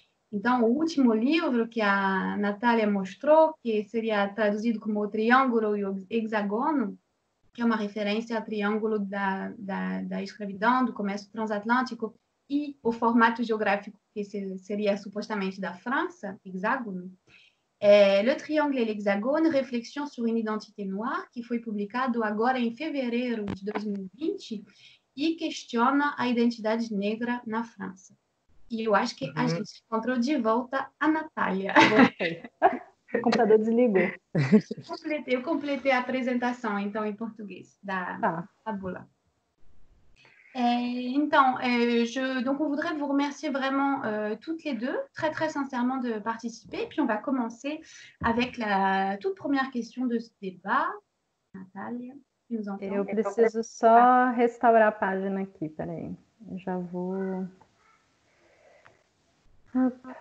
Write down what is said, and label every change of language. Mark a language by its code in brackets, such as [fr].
[pt] Então, o último livro que a Natália mostrou, que seria traduzido como O Triângulo e o Hexagono, que é uma referência ao triângulo da escravidão, do comércio transatlântico, e o formato geográfico que seria supostamente da França, hexágono, Le Triangle et l'Hexagone, réflexion sur une identité noire, que foi publicado agora em fevereiro de 2020, e questiona a identidade negra na França. E eu acho que a gente encontrou de volta a Natália. O computador desligou. Eu completei a apresentação, então, em português, da Maboula. [fr] Donc on voudrait vous remercier vraiment toutes les deux, très très sincèrement, de participer. Puis on va commencer avec la toute première question de ce débat. Natália, qui nous entend. [pt] Eu preciso só restaurar a página aqui, peraí. Já vou. Hop.